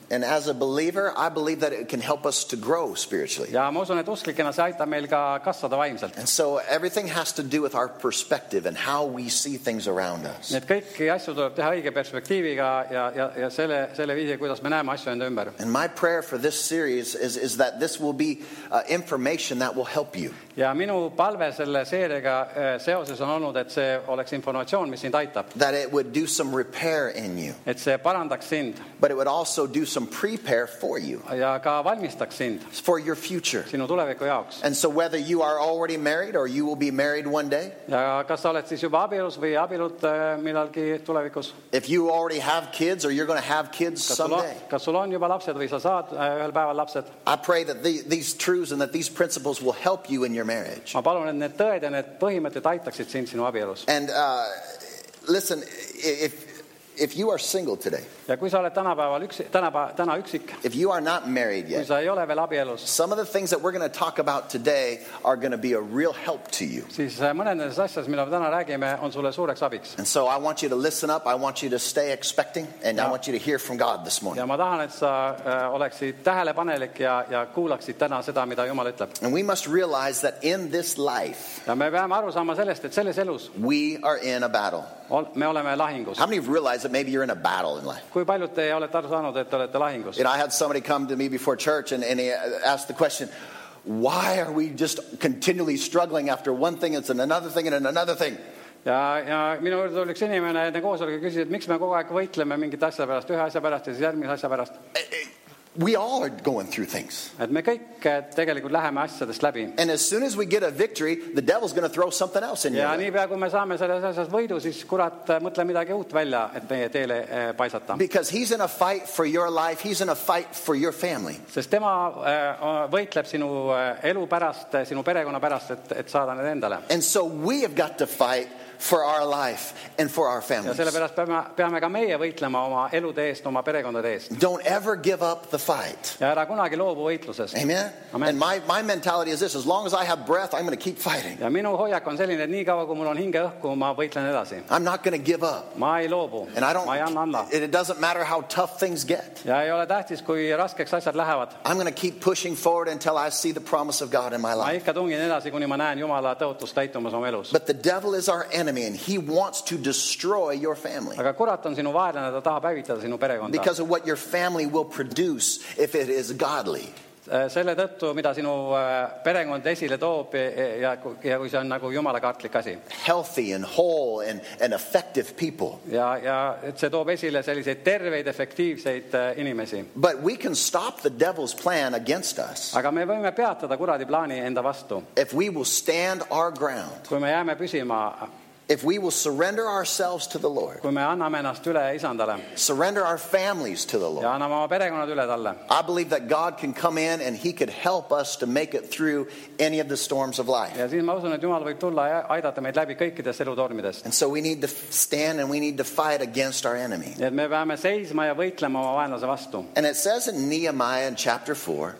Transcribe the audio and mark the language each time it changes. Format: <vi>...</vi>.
<en>And as a believer, I believe that it can help us to grow spiritually.</en> <et>Ja ma usun, et usklikena see aitab meil ka kasvada vaimselt.</et> <en>And so everything has to do with our perspective and how we see things around us.</en> <et>Need kõik asju tuleb teha õige perspektiiviga ja selle viisi, kuidas me näeme asju enda ümber.</et> <en>And my prayer for this series is that this will be information that will help you.</en> <et>Ja minu palve selle seeriga seoses on olnud, et see oleks informatsioon, mis sind aitab.</et> <en>That it would do some repair in you.</en> <et>Et see parandaks sind.</et> <en>But it would also do some prepare for you.</en> <et>Ja ka valmistaks sind.</et> <en>For your future.</en> <et>Sinu tuleviku jaoks.</et> <en>And so whether you are already married or you will be married one day.</en> <et>Ja kas sa oled siis juba abielus või abielud millalgi tulevikus.</et> <en>If you already have kids or you're going to have kids someday.</en> <et>Kas sul on juba lapsed või sa saad ühel päeval lapsed.</et> <en>I pray that these truths and that these principles will help you in your marriage.</en> <et>Ma palun, et need tõed ja need põhimõtted aitaksid sind sinu abielus.</et> <en>And listen, if you are single today.</en> <et>Ja kui sa oled täna üksik.</et> <en>If you are not married yet.</en> <et>Kui sa ei ole veel abielus.</et> <en>Some of the things that we're going to talk about today are going to be a real help to you.</en> <et>Siis mõnedes asjas, mida me täna räägime, on sulle suureks abiks.</et> <en>And so I want you to listen up, I want you to stay expecting, and I want you to hear from God this morning.</en> <et>Ja ma tahan, et sa oleksid tähelepanelik ja kuulaksid täna seda, mida Jumal ütleb.</et> <en>And we must realize that in this life.</en> <et>Ja me peame aru saama sellest, et selles elus.</et> <en>We are in a battle.</en> <et>Me oleme lahingus.</et> <en>How many of you realize that maybe you're in a battle in life?</en> <et>Kui paljud te olete aru saanud, et olete lahingus?</et> <en>You know, I had somebody come to me before church and he asked the question, why are we just continually struggling after one thing and another thing and another thing?</en> <et>Ja minu juurde tuli üks inimene enne koosolekut ja küsis, et miks me kogu aeg võitleme mingit asja pärast, ühe asja pärast ja siis järgmise asja pärast?</et> <en>We all are going through things.</en> <et>Et me kõik tegelikult läheme asjadest läbi.</et> <en>And as soon as we get a victory, the devil's going to throw something else in</en> <et>you. Ja nii pea, kui me saame selles asjas võidu, siis kurat mõtle midagi uut välja, et meie teele paisata.</et> <en>Because he's in a fight for your life, he's in a fight for your family.</en> <et>Sest tema võitleb sinu elu pärast, sinu perekonna pärast, et saada need endale.</et> <en>And so we have got to fight for our life and for our families.</en> <et>Peame ka meie võitlema oma elude eest, oma perekondade eest.</et> <en>Don't ever give up the fight.</en> <et>Ja ära kunagi loobu võitlusest.</et> <en>Amen. And my mentality is this: as long as I have breath, I'm going to keep fighting.</en> <et>Ja minu hoiak on selline, et nii kaua kui mul on hinge õhku, ma võitlen edasi.</et> <en>I'm not going to give up.</en> <et>Ma ei loobu.</et> <en>And I don't.</en> <et>Ma ei anna alla.</et> <en>It doesn't matter how tough things get.</en> <et>Ja ei ole tähtis, kui raskeks asjad lähevad.</et> <en>I'm going to keep pushing forward until I see the promise of God in my life.</en> <et>Ma ikka tungin edasi, kuni ma näen Jumala tõotust täitumas oma elus.</et> <en>But the devil is our enemy, and he wants to destroy your family.</en> <et>Aga kurat on sinu vaelane, ta tahab hävitada sinu perekonda.</et> <en>Because of what your family will produce if it is godly.</en> <et>Selle tõttu, mida sinu perekond esile toob ja kui see on nagu Jumala kartlik asi.</et> <en>Healthy and whole and effective people.</en> <et>Ja et see toob esile selliseid terveid, efektiivseid inimesi.</et> <en>But we can stop the devil's plan against us.</en> <et>Aga me võime peatada kuradi plaani enda vastu.</et> <en>If we will stand our ground.</en> <et>Kui me jääme püsima.</et> <en>If we will surrender ourselves to the Lord.</en> <et>Kui me anname ennast üle isandale.</et> <en>Surrender our families to the Lord.</en> <et>Ja anname oma perekonnad üle talle.</et> <en>I believe that God can come in and he could help us to make it through any of the storms of life.</en> <et>Ja siis ma usun, et Jumal võib tulla ja aidata meid läbi kõikidest elutormidest.</et> <en>And so we need to stand and we need to fight against our enemy.</en> <et>Ja me peame seisma ja võitlema oma vaenlase vastu.</et> <en>And it says in Nehemiah in chapter 4.</en>